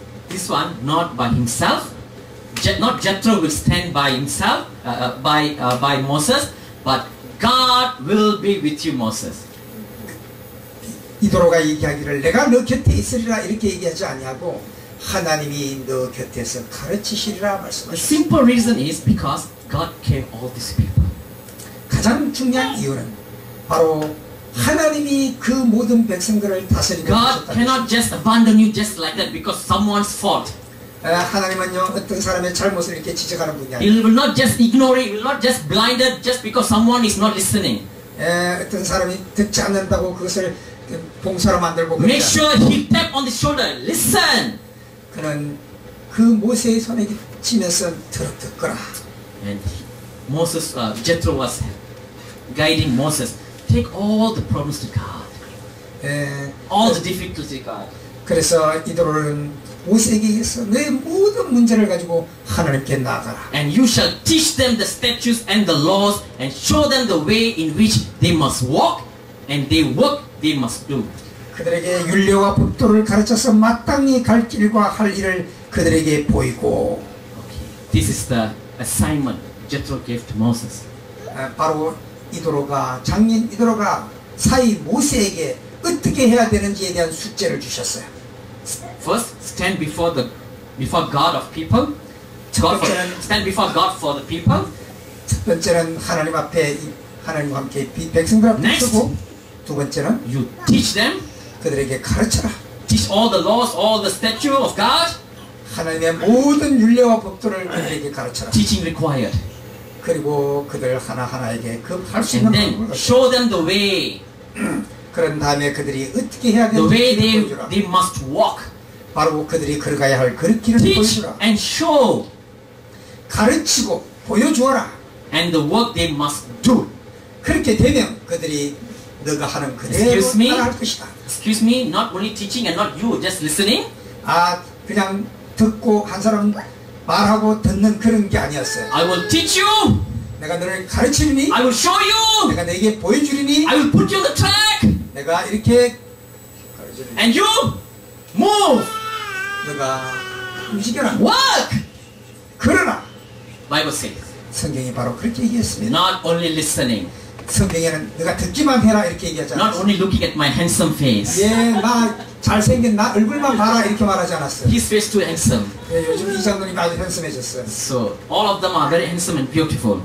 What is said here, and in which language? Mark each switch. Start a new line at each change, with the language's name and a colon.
English: This one, not by himself, not Jethro will stand by himself, by Moses, but God will be with you, Moses.
Korean: 이드로가 얘기하기를 내가 너 곁에 있으리라 이렇게 얘기하지 아니하고 하나님이 너 곁에서 가르치시리라 말씀하셨어요.
English: Simple reason is because God gave all these people.
Korean: 가장 중요한 이유는 바로 하나님이 그 모든 백성들을 다스리셨다.
English: God cannot just abandon you just like that because someone's fault.
Korean: 하나님은요 어떤 사람의 잘못을 이렇게 지적하는 분이 아니에요.
English: He will not just ignore it. He will not just blinded just because someone is not listening.
Korean: 어떤 사람이 듣지 않는다고 그것을 봉사로 만들고 그러잖아요.
English: Make sure he tap on the shoulder. Listen.
Korean: 그는 그 모세의 손에 치면서 들어 듣거라.
English: And Moses, Jethro was guiding Moses. Take all the problems to God. All the difficulties to God.
Korean: 그래서 이도로는 모세에게서 내 모든 문제를 가지고 하나님께 나아가라.
English: And you shall teach them the statutes and the laws and show them the way in which they must walk and they work they must do.
Korean: 그들에게 윤례와 법도를 가르쳐서 마땅히 갈 길과 할 일을 그들에게 보이고.
English: Okay. This is the assignment Jethro gave to Moses.
Korean: 바로 이도로가 장인 이도로가 사위 모세에게 어떻게 해야 되는지에 대한 숙제를 주셨어요.
English: First, stand before the before God of people. God for, stand before God for the people.
Korean: 첫 번째는 하나님 앞에 하나님과 함께 백성들 앞에 서고 두 번째는
English: you teach them
Korean: 그들에게 가르쳐라.
English: Teach all the laws, all the statutes of God.
Korean: 하나님의 모든 율례와 법도를 그들에게 가르쳐라.
English: Teaching required.
Korean: 그리고 그들 하나 하나에게 그 할 수 있는 방법을 가르쳐라.
English: Show them the way.
Korean: 그런 다음에 그들이 어떻게 해야 되는지
English: the way they must walk.
Korean: 바로 그들이 걸어가야 할 걸음길을 보여주라.
English: And show.
Korean: 가르치고 보여주어라.
English: And the work they must do.
Korean: 그렇게 되면 그들이 너가 하는 그대로 따라할 것이다.
English: Excuse me, not only teaching and not you, just listening?
Korean: 아, 그냥 듣고 한 사람 말하고 듣는 그런 게 아니었어요.
English: I will teach you.
Korean: 내가 너를 가르치리니.
English: I will show you.
Korean: 내가 너에게 보여주리니.
English: I will put you on the track.
Korean: 내가 이렇게 가르치리니.
English: And you? Move.
Korean: 너가 움직여라.
English: Work.
Korean: 그러나.
English: Bible says.
Korean: 성경이 바로 그렇게 얘기했습니다.
English: Not only listening.
Korean: 성경에는 네가 듣기만 해라 이렇게 얘기하잖아.
English: Not only looking at my handsome face.
Korean: 예, 나 잘생긴 나 얼굴만 봐라 이렇게 말하지 않았어.
English: His face too handsome.
Korean: 예, 요즘 이장노님 아주 handsome해졌어.
English: So all of them are very handsome and beautiful.